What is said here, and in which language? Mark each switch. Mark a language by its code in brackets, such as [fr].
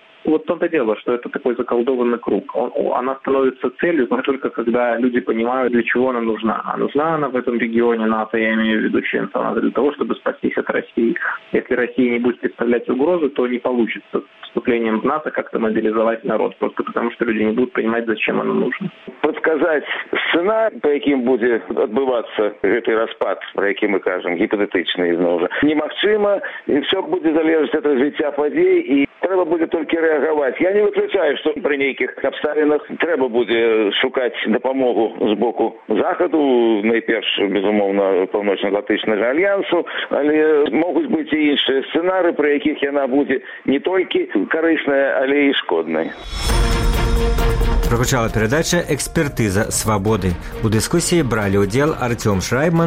[ru] Вот то-то дело, что это такой заколдованный круг. Она становится целью только когда люди понимают, для чего она нужна. А нужна она в этом регионе НАТО, я имею в виду членство НАТО, для того, чтобы спастись от России. Если Россия не будет представлять угрозу, то не получится вступлением в НАТО как-то мобилизовать народ, просто потому что люди не будут понимать, зачем оно нужно. [be] сказать сценарий, по яким будзе адбывацца гэты распад, про які мы кажам гіпатэтычна, ізноў жа немагчыма, і все будзе залежаць ад развіцця падзей, і трэба будзе толькі рэагаваць. Я не выключаю, што пры нейкіх абставінах трэба будзе шукаць дапамогу з боку захаду, найперш безумоўна паўночна-атлантычнага альянсу, але могуць быць і іншыя сценарыі, пры якіх яна будзе не толькі карысная, але і шкоднай. [ru] Прогучала передача «Экспертиза свободы». У дискуссии брали удел Артем Шрайман